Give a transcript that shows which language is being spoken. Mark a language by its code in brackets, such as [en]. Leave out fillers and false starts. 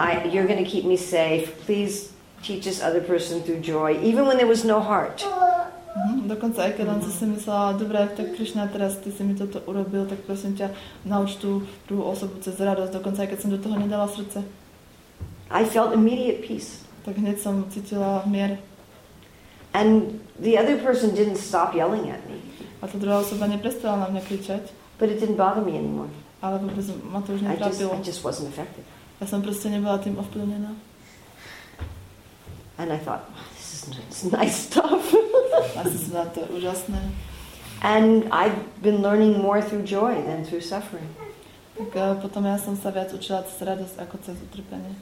[en] You're going to keep me safe. Please teach this other person through joy. Even when there was no heart. [sk] Dokonca aj keď som si myslela, dobre, tak Krishna, teraz ty si mi toto urobil, tak prosím ťa, nauč tú druhú osobu cez radosť. Dokonca aj keď som do toho nedala srdce. [en] I felt immediate peace. [sk] Tak hneď som cítila mier. [en] And the other person didn't stop yelling at me. [sk] A tá druhá osoba neprestala na mňa kričať. [en] But it didn't bother me anymore. [sk] Ale vôbec ma to už netrápilo. [en] I just wasn't affected. [sk] Ja som proste nebola tým ovplyvnená. [en] And I thought, wow, this is nice stuff. [sk] A to je to úžasné. [en] And I've been learning more through joy than through suffering. [sk] Tak potom ja som sa viac učila cez radosť ako cez utrpenie.